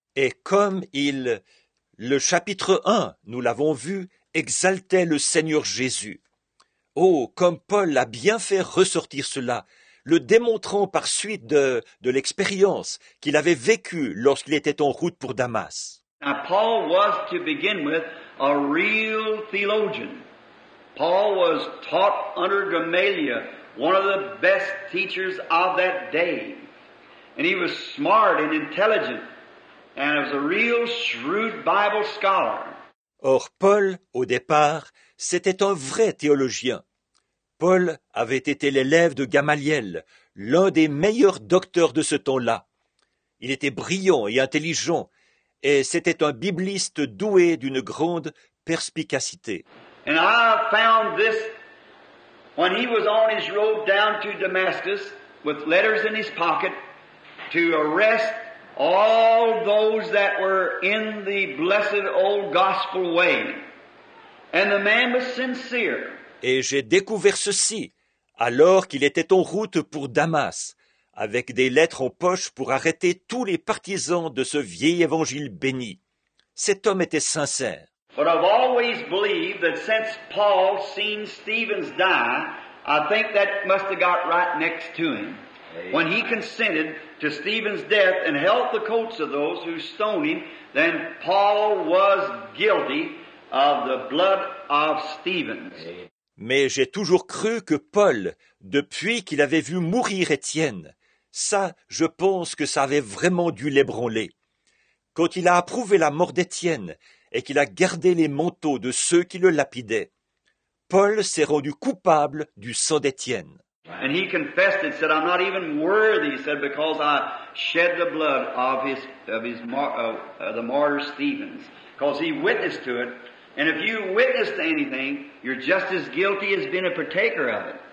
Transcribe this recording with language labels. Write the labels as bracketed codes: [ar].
[fr] Et comme il, le chapitre 1, nous l'avons vu, exaltait le Seigneur Jésus. Oh, comme Paul a bien fait ressortir cela, le démontrant par suite de l'expérience qu'il avait vécue lorsqu'il était en route pour Damas. [en] Now, Paul was, to begin with, a real theologian. Paul was taught under Gamaliel, one of the best teachers of that day. And he was smart and intelligent. And was a real shrewd Bible scholar. [fr] Or, Paul, au départ, c'était un vrai théologien. Paul avait été l'élève de Gamaliel, l'un des meilleurs docteurs de ce temps-là. Il était brillant et intelligent, et c'était un bibliste doué d'une grande perspicacité. [en] And I found this when he was on his road down to Damascus with letters in his pocket to arrest all those that were in the blessed old gospel way. And the man was sincere. [fr] Et j'ai découvert ceci alors qu'il était en route pour Damas, avec des lettres en poche pour arrêter tous les partisans de ce vieil évangile béni. Cet homme était sincère. [en] But I've always believed that since Paul seen Stephen's die, I think that must have got right next to him. When he consented to Stephen's death and held the coats of those who stoned him, then Paul was guilty of the blood of Stephen. [fr] Mais j'ai toujours cru que Paul, depuis qu'il avait vu mourir Étienne, ça, je pense que ça avait vraiment dû l'ébranler. Quand il a approuvé la mort d'Étienne et qu'il a gardé les manteaux de ceux qui le lapidaient, Paul s'est rendu coupable du sang d'Étienne. [en] And he confessed and said, I'm not even worthy, he said, because I shed the blood of the martyr Stephens. Because he witnessed to it. And if you witness to anything, you're just as guilty as being a partaker of it.